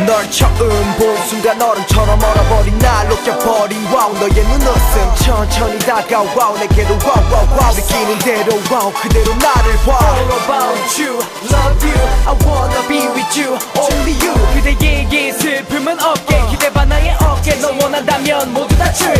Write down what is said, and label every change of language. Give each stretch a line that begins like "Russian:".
Korean: 처음 본 순간 얼음처럼 얼어버린 날 녹여버린 와우. 너의 눈웃음 천천히 다가와. 내게로 와우 와우 와우. 느끼는 대로 와우 그대로 나를 봐.
English: All about you, love you, I wanna be with you, only you.
Korean: 그대에게 슬픔은 없게 기대 봐 나의 어깨. 너 원한다면 모두 다 줄게.